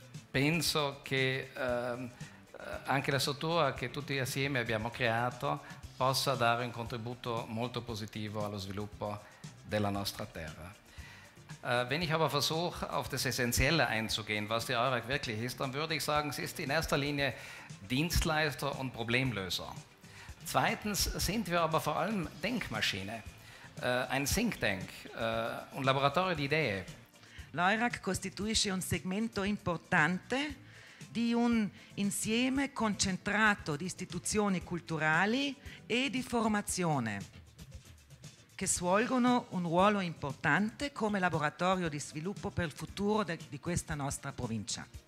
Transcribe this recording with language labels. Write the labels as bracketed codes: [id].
[it] Penso che anche la struttura che tutti assieme abbiamo creato possa dare un contributo molto positivo allo sviluppo della nostra terra. [de] Wenn ich aber versuche, auf das Essentielle einzugehen, was die Eurac wirklich ist, dann würde ich sagen, sie ist in erster Linie Dienstleister und Problemlöser. Zweitens sind wir aber vor allem Denkmaschine, ein Think Tank und [it] Laboratorio di Idee. L'Eurac costituisce un segmento importante di un insieme concentrato di istituzioni culturali e di formazione che svolgono un ruolo importante come laboratorio di sviluppo per il futuro di questa nostra provincia.